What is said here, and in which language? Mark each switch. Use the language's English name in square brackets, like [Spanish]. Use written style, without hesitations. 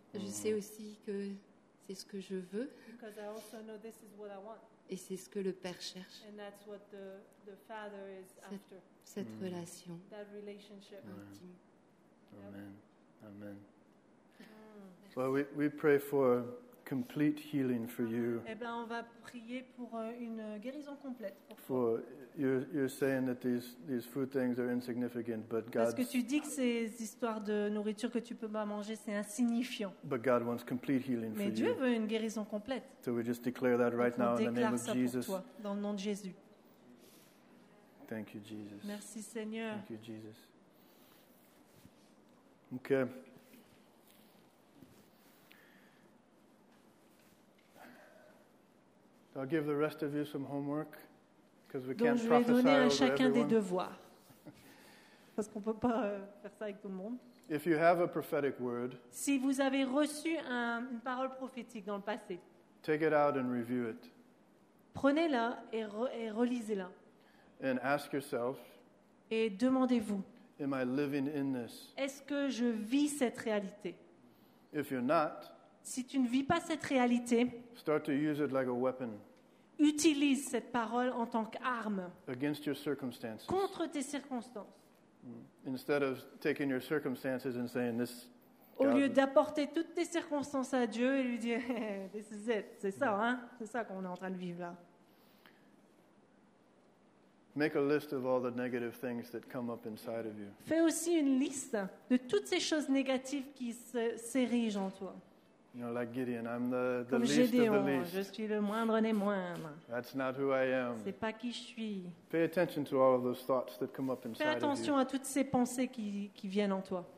[French] Je sais aussi que c'est ce que je veux. [English] Because I also know this is what I want. [French] Et c'est ce que le Père cherche. [English] And that's what the Father is after. [French] Cette relation. [English] That relationship. Amen. [French] Intime. [English] Amen. Yep. Amen. Mm. Well, we pray for complete healing for you. [French] Eh ben, on va prier pour une guérison complète. [English] For you're saying that these food things are insignificant, but God. [French] Parce que tu dis que ces histoires de nourriture que tu peux pas manger, c'est insignifiant. [English] But God wants complete healing for you. [French] Mais Dieu veut une guérison complète. [English] So we just declare that right now in the name of Jesus. [French] Déclare ça pour toi, dans le nom de Jésus. [English] Thank you, Jesus. [French] Merci, Seigneur. [English] Thank you, Jesus. Okay. I'll give the rest of you some homework because we [French] donc [English] can't prophesy over everyone. [French] Donc je vais donner à chacun [English] everyone. [French] Des devoirs parce qu'on peut pas faire ça avec tout le monde. [English] If you have a prophetic word, [French] si vous avez reçu une parole prophétique dans le passé, [English] take it out and review it. [French] Prenez-la et relisez-la. [English] And ask yourself, [French] et demandez-vous, [English] am I living in this? [French] Est-ce que je vis cette réalité? [English] If you're not, [French] si tu ne vis pas cette réalité, [English] start to use it like a weapon. [French] Utilise cette parole en tant qu'arme [English] against your circumstances. [French] Contre tes circonstances. [English] Instead of taking your circumstances and saying this, [French] au lieu d'apporter toutes tes circonstances à Dieu et lui dire, [English] hey, this is it, [French] c'est ça, hein? C'est ça qu'on est en train de vivre là. [English] Make a list of all the negative things that come up inside of you. [French] Fais aussi une liste de toutes ces choses négatives qui s'érigent en toi. [English] You know, like Gideon, I'm the [French] comme [English] least [French] Gédéon, [English] of the least. [French] Je suis le moindre des moindres. [English] That's not who I am. [French] C'est pas qui je suis. [English] Pay attention to all of those thoughts that come up inside of you. [French] Fais attention à toutes ces pensées qui viennent en toi.